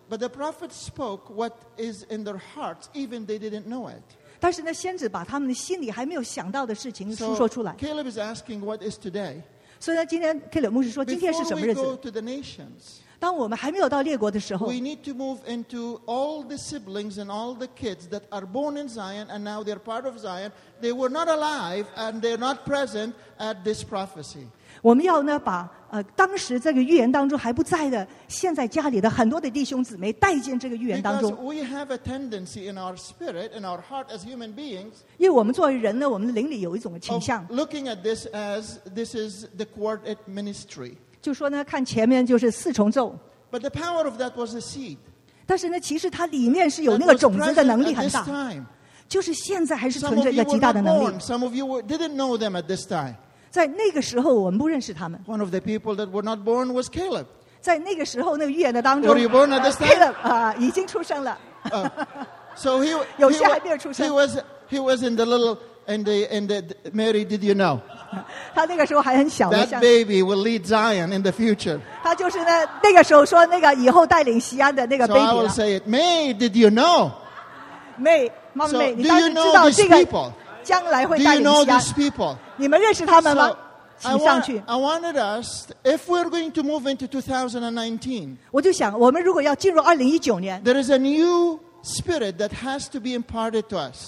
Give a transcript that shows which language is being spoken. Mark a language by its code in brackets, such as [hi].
[en] But the prophet spoke what is in their hearts, even they didn't know it. [zh] 但是呢先知把他们心里还没有想到的事情述说出来。 [en] So Caleb is asking, what is today? [zh] 所以呢,今天Caleb牧师说, 今天是什么日子? [en] Before we go to the nations, [zh] 当我们还没有到列国的时候, [en] we need to move into all the siblings and all the kids that are born in Zion and now they're part of Zion. They were not alive and they're not present at this prophecy. [zh] 我们要呢把当时这个预言当中还不在的现在家里的很多的弟兄姊妹带进这个预言当中。 [en] Because we have a tendency in our spirit, in our heart as human beings, [zh] 因为我们作为人呢, 我们的灵里有一种倾向, [en] of looking at this as this is the quartet ministry. [zh] 就说呢,看前面就是四重奏, [en] but the power of that was a seed. [zh] 但是呢, 其实它里面是有那个种子的能力很大。 [en] That was present at this time. [zh] 就是现在还是存着一个极大的能力。 [en] Some of you were not born. Some of you didn't know them at this time. [zh] 在那个时候我们不认识他们。 [en] One of the people that were not born was Caleb. [zh] 在那个时候那个预言的当中, [en] were you born at this time? [zh] Caleb, 已经出生了。 [en] So he was in the little, in the Mary, did you know? [zh] 他那个时候还很小, [en] that baby will lead Zion in the future. [zh] 他就是那个时候说那个以后带领西安的那个baby。 [en] So I will say it, May, did you know? May, Mom, so May, do you know these people? Do you know these people? [zh] 你们认识他们吗? [en] So, I wanted us, if we're going to move into 2019, there is a new spirit that has to be imparted to us.